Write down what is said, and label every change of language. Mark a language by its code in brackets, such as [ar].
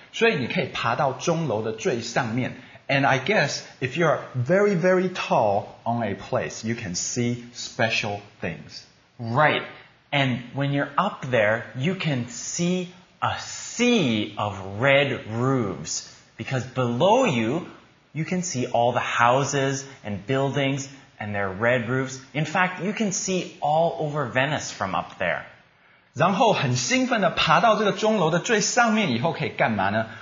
[zh] 所以你可以爬到钟楼的最上面。 [en] And I guess if you're very, very tall on a place, you can see special things. Right. And when you're up there, you can see a sea of red roofs. Because below you, you can see all the houses and buildings and their red roofs. In fact, you can see all over Venice from up there. [zh] 然后很兴奋地爬到这个钟楼的最上面以后可以干嘛呢？